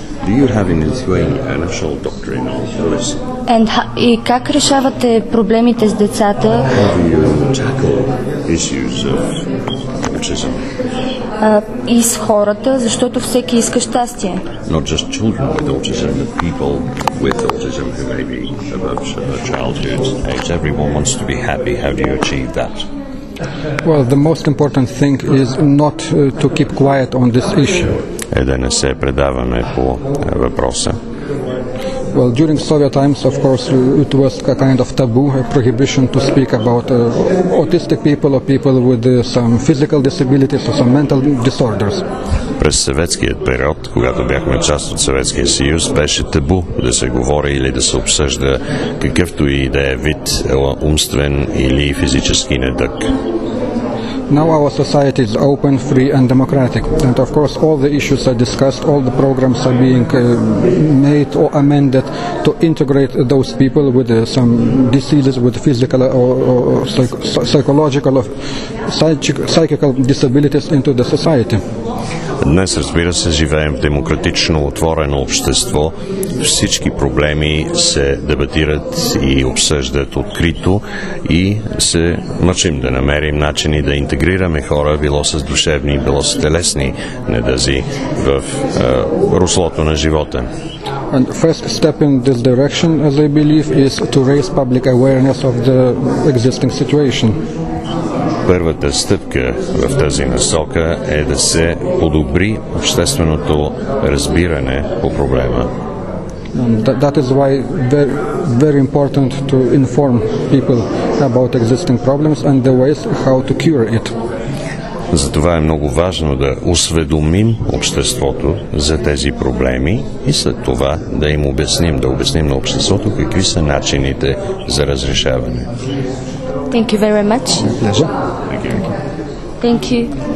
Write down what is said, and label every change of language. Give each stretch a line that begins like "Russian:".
English: Do you have in Lithuania a national doctrine on this?
Bulgarian: And и как решавате проблемите с децата?
English: How do you tackle issues of autism?
Bulgarian: И с хората, защото всеки иска щастие.
English: Not just children with autism, but people with autism who may be above childhood age. Everyone wants to be happy. How do you achieve that? Well, the most important thing is not to keep quiet on this issue.
Bulgarian: Е да не се предаваме по въпроса.
English: Well, during Soviet times, of course, it was a kind of taboo, a prohibition to speak about autistic people or people with some physical disabilities or some mental disorders.
Bulgarian: През съветският период, когато бяхме част от Съветския съюз, беше табу да се говори или да се обсъжда какъвто и да е вид умствен или физически недък.
English: Now our society is open, free and democratic. And of course all the issues are discussed, all the programs are being made or amended to integrate those people with some diseases, with physical or psychological or psychical disabilities into the society.
Bulgarian: Днес, разбира се, живеем в демократично отворено общество. Всички проблеми се дебатират и обсъждат открито и се мъчим да намерим начини да интегрираме хора, било с душевни, било с телесни недъзи в руслото на живота.
English: And first step in this direction, as I believe, is to raise public awareness of the existing situation.
Bulgarian: Първата стъпка в тази насока е да се подобри общественото разбиране по проблема.
English: That is why very, very important to inform people about existing problems and the ways how to cure it.
Bulgarian: Затова е много важно да осведомим обществото за тези проблеми и след това да им обясним, да обясним на обществото какви са начините за разрешаване.
English: Thank you very much.